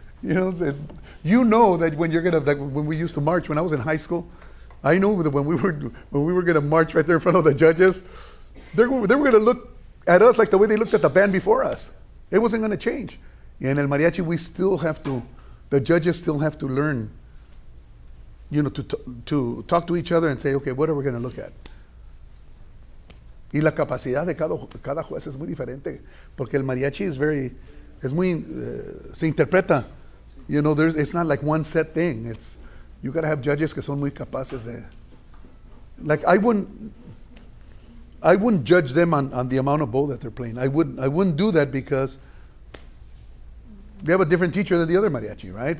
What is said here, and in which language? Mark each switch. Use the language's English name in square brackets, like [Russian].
[English] You know, you know that when you're gonna, like when we used to march when I was in high school, I knew that when we were going to march right there in front of the judges, they were going to look at us like the way they looked at the band before us. It wasn't going to change. In El Mariachi, the judges still have to learn you know, to talk to each other and say, okay, what are we going to look at? [Spanish] Y la capacidad de cada juez es muy diferente, porque el mariachi es very, es muy, se interpreta. [English] You know, there's, it's not like one set thing. It's, you got to have judges [Spanish] que son muy capaces de, [English] like, I wouldn't judge them on the amount of bow that they're playing. I wouldn't do that because they have a different teacher than the other mariachi, right?